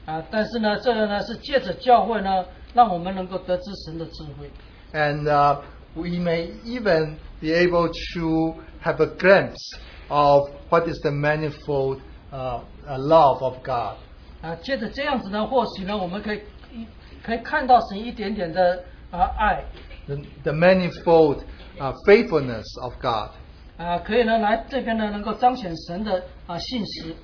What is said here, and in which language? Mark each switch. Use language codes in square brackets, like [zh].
[zh] 但是呢这个呢是借着教会呢让我们能够得知神的智慧。 [en] And we may even be able to have a glimpse of what is the manifold love of God. [zh] 借着这样子呢或许呢我们可以看到神一点点的爱。 [en] The manifold faithfulness of God. [zh] 可以呢来这边呢能够彰显神的信实。